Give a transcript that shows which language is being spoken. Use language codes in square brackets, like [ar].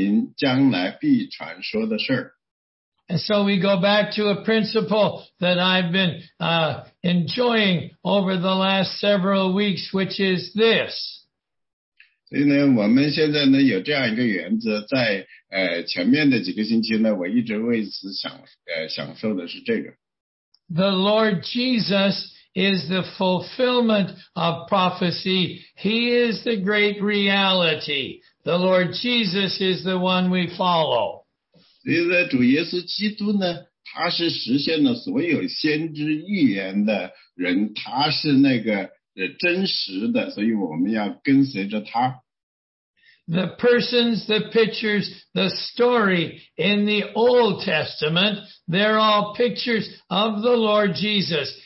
[zh] 第五节说,摩西为仆人,在神的全家诚然尽忠,为要证明将来必传说的事儿。 [en] And so we go back to a principle that I've been enjoying over the last several weeks, which is this. [zh] 所以呢,我们现在呢,有这样一个原则,在前面的几个星期呢,我一直为此享受的是这个。 [en] The Lord Jesus is the fulfillment of prophecy. He is the great reality. The Lord Jesus is the one we follow. [zh] 所以呢,主耶稣基督呢,他是实现了所有先知预言的人,他是那个真实的,所以我们要跟随着他。 [en] The persons, the pictures, the story in the Old Testament, they're all pictures of the Lord Jesus.